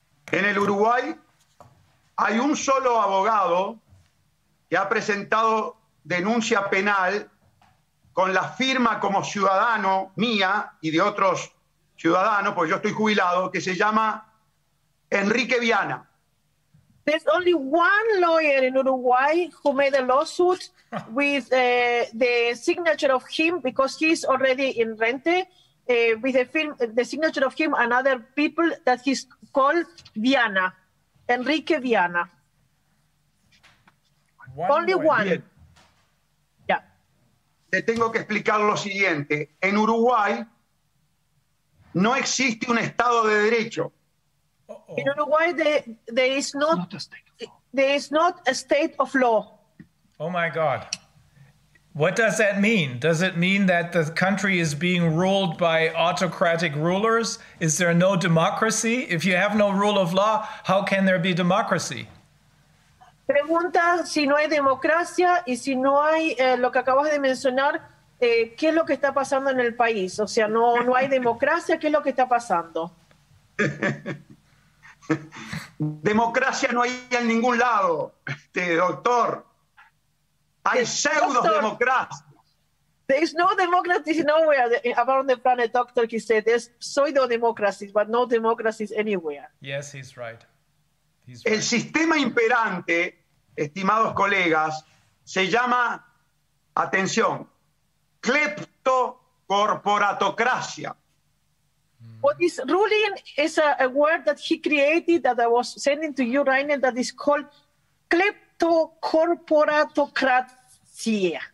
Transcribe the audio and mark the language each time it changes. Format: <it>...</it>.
<es>En el Uruguay hay un solo abogado que ha presentado denuncia penal con la firma como ciudadano mía y de otros ciudadano, pues yo estoy jubilado, que se llama Enrique Viana.</es> <en>There's only one lawyer in Uruguay who made a lawsuit with the signature of him, because he's already in Rente, with the signature of him and other people, that he's called Viana, Enrique Viana. Only one. Yeah.</en> <es>Te tengo que explicar lo siguiente. En Uruguay no existe un Estado de Derecho.</es> <en>En Uruguay there is not a state of law. Oh my God. What does that mean? Does it mean that the country is being ruled by autocratic rulers? Is there no democracy? If you have no rule of law, how can there be democracy?</en> <es>Pregunta si no hay democracia y si no hay lo que acabas de mencionar. ¿Qué es lo que está pasando en el país? O sea, no hay democracia, ¿qué es lo que está pasando? Democracia no hay en ningún lado, doctor. Hay pseudo-democracia.</es> <en>There is no democracy nowhere around the planet, doctor, he said. There's pseudo-democracy, but no democracy anywhere. Yes, he's right.</en> <es>El sistema imperante, estimados colegas, se llama, atención, kleptocorporatocracia.</es> <en>What is ruling is a word that he created that I was sending to you, Rainer, that is called kleptocorporatocracia.</en>